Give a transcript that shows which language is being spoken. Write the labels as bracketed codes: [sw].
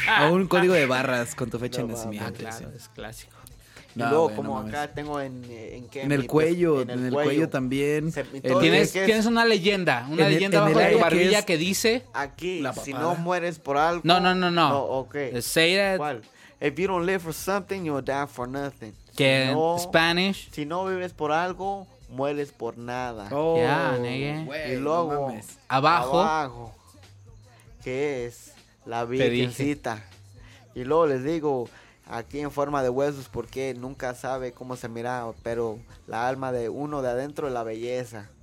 [es] O un código de barras con tu fecha de nacimiento. Ah, claro, es clásico. No, y luego, bueno, como acá tengo en qué. En el cuello, en el cuello también. Tienes una leyenda. Una leyenda bajo tu barbilla que dice. Aquí, si no mueres por algo. No. Ok. [en] Say that. [es] ¿Cuál? [en] If you don't live for something, you'll die for nothing. [es] Que en Spanish. Si no vives por algo, mueres por nada. [en] Oh, yeah, nigga. [es] Y luego, no mames. Abajo, que es la virgencita. Y luego les digo, aquí en forma de huesos, porque nunca sabe cómo se mira, pero la alma de uno de adentro es la belleza.